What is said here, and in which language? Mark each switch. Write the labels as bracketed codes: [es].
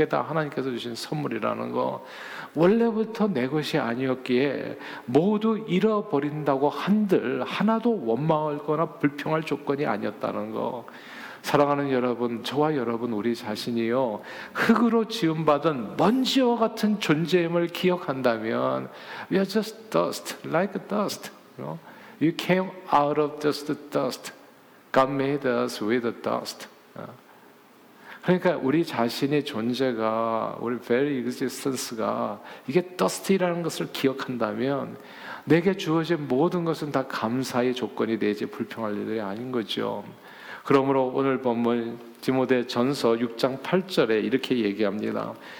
[ko] 그게 다 하나님께서 주신 선물이라는 거. 원래부터 내 것이 아니었기에 모두 잃어버린다고 한들 하나도 원망하거나 불평할 조건이 아니었다는 거. 사랑하는 여러분, 저와 여러분 우리 자신이요 흙으로 지음받은 먼지와 같은 존재임을 기억한다면 [en] We are just dust, like a dust. You came out of just the dust. God made us with the dust. [ko] 그러니까 우리 자신의 존재가, 우리 very existence가 이게 dust이라는 것을 기억한다면 내게 주어진 모든 것은 다 감사의 조건이 되지 불평할 일이 아닌 거죠. 그러므로 오늘 본문 디모데 전서 6장 8절에 이렇게 얘기합니다.